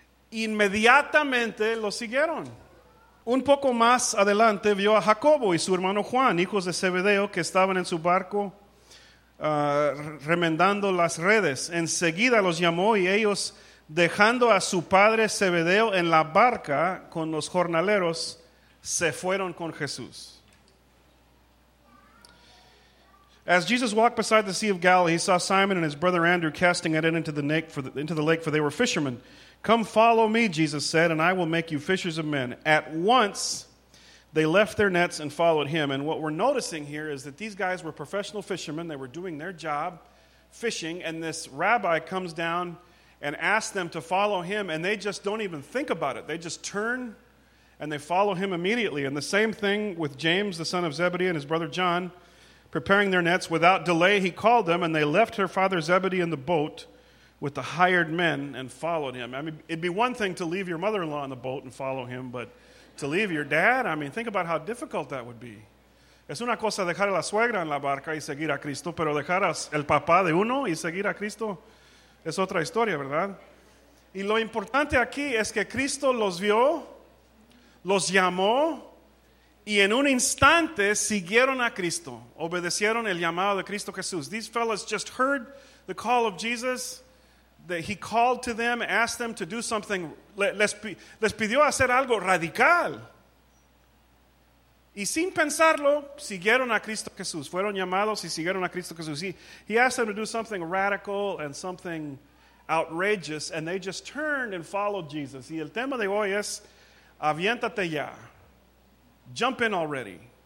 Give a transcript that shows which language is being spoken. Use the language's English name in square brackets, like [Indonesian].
[Spanish] Inmediatamente los siguieron. Un poco más adelante vio a Jacobo y su hermano Juan, hijos de Zebedeo, que estaban en su barco remendando las redes. Enseguida los llamó y ellos, dejando a su padre Zebedeo en la barca con los jornaleros, se fueron con Jesús. [English] As Jesus walked beside the Sea of Galilee, he saw Simon and his brother Andrew casting a net into the lake, for they were fishermen. Come follow me, Jesus said, and I will make you fishers of men. At once, they left their nets and followed him. And what we're noticing here is that these guys were professional fishermen. They were doing their job fishing. And this rabbi comes down and asks them to follow him. And they just don't even think about it. They just turn and they follow him immediately. And the same thing with James, the son of Zebedee, and his brother John, preparing their nets. Without delay, he called them, and they left their father Zebedee in the boat with the hired men and followed him. I mean, it'd be one thing to leave your mother-in-law in the boat and follow him, but to leave your dad, I mean, think about how difficult that would be. [Spanish] Es una cosa dejar a la suegra en la barca y seguir a Cristo, pero dejar al papá de uno y seguir a Cristo es otra historia, ¿verdad? Y lo importante aquí es que Cristo los vio, los llamó, y en un instante siguieron a Cristo, obedecieron el llamado de Cristo Jesús. [English] These fellas just heard the call of Jesus, that he called to them, asked them to do something, [Spanish] les pidió hacer algo radical. Y sin pensarlo, siguieron a Cristo Jesús. Fueron llamados y siguieron a Cristo Jesús. [English] He asked them to do something radical and something outrageous, and they just turned and followed Jesus. [Spanish] Y el tema de hoy es, aviéntate ya. [English] Jump in already.